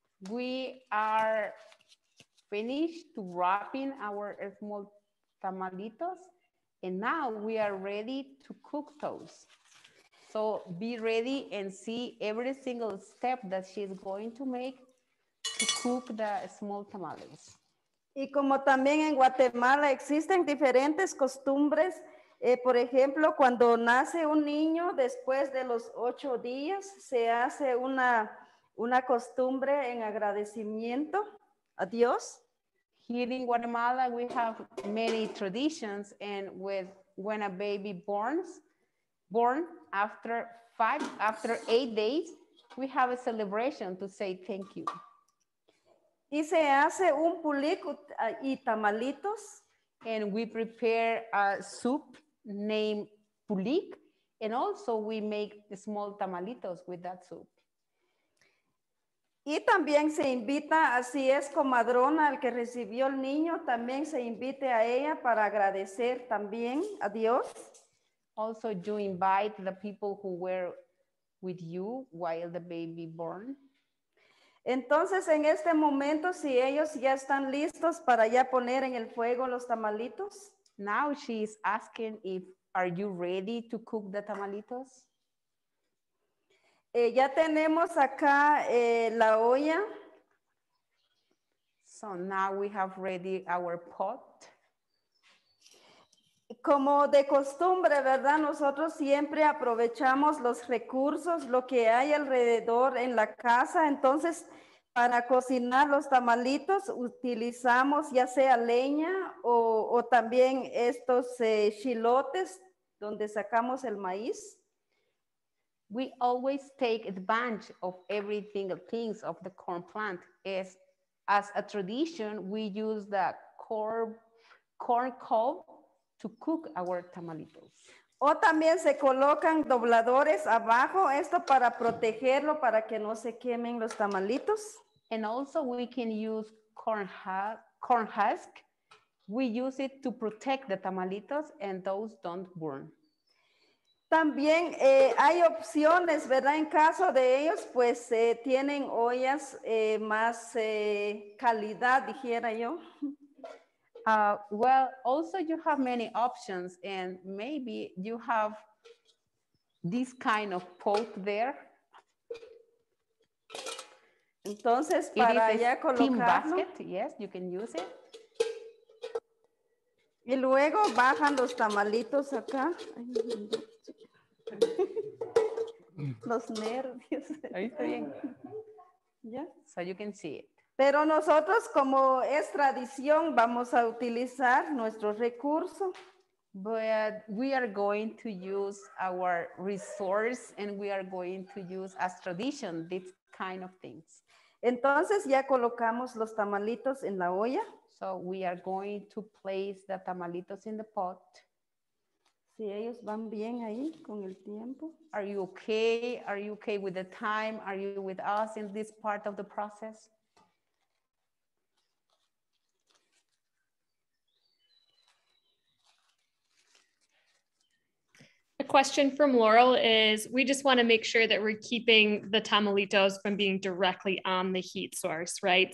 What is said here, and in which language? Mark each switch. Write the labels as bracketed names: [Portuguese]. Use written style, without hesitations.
[English] We are finished to wrapping our small tamalitos, and now we are ready to cook those. So be ready and see every single step that she's going to make to cook the small tamales. [Spanish] Y como también en Guatemala existen diferentes costumbres, por ejemplo, cuando nace un niño después de los 8 días, se hace una costumbre en agradecimiento a Dios. [English] Here in Guatemala, we have many traditions, and when a baby born after 8 days, we have a celebration to say thank you. [Spanish] Y se hace un pulico y tamalitos. [English] And we prepare a soup named pulic, and also we make the small tamalitos with that soup. [Spanish] Y también se invita, así es, comadrona, al que recibió el niño, también se invite a ella para agradecer también a Dios. [English] Also, you invite the people who were with you while the baby born. [Spanish] Entonces, en este momento, si ellos ya están listos para ya poner en el fuego los tamalitos. [English] Now she is asking if are you ready to cook the tamalitos. [Spanish] Ya tenemos acá la olla. [English] So now we have ready our pot. [Spanish] Como de costumbre, ¿verdad? Nosotros siempre aprovechamos los recursos, lo que hay alrededor en la casa. Entonces, para cocinar los tamalitos, utilizamos ya sea leña o también estos chilotes donde sacamos el maíz. [English] We always take advantage of everything, things of the corn plant. As a tradition, we use the corn cob to cook our tamalitos. [Spanish] O también se colocan dobladores abajo, esto para protegerlo, para que no se quemen los tamalitos. [English] And also we can use corn husk. We use it to protect the tamalitos and those don't burn. [Spanish] También hay opciones, ¿verdad? En caso de ellos, pues tienen ollas más calidad, dijera yo. [English] Well, also you have many options, and maybe you have this kind of pot there. [Spanish] Entonces, para ya colocarlo. [English] Steam basket, yes, you can use it. [Spanish] Y luego bajan los tamalitos acá. Los nervios. Ahí está bien. ¿Ya? [English] So you can see it. [Spanish] Pero nosotros, como es tradición, vamos a utilizar nuestro recurso. [English] But we are going to use our resource and we are going to use as tradition these kind of things. [Spanish] Entonces ya colocamos los tamalitos en la olla. [English] So we are going to place the tamalitos in the pot. [Spanish] Si ellos van bien ahí con el tiempo. [English] Are you okay? Are you okay with the time? Are you with us in this part of the process? A question from Laurel is, we just want to make sure that we're keeping the tamalitos from being directly on the heat source, right?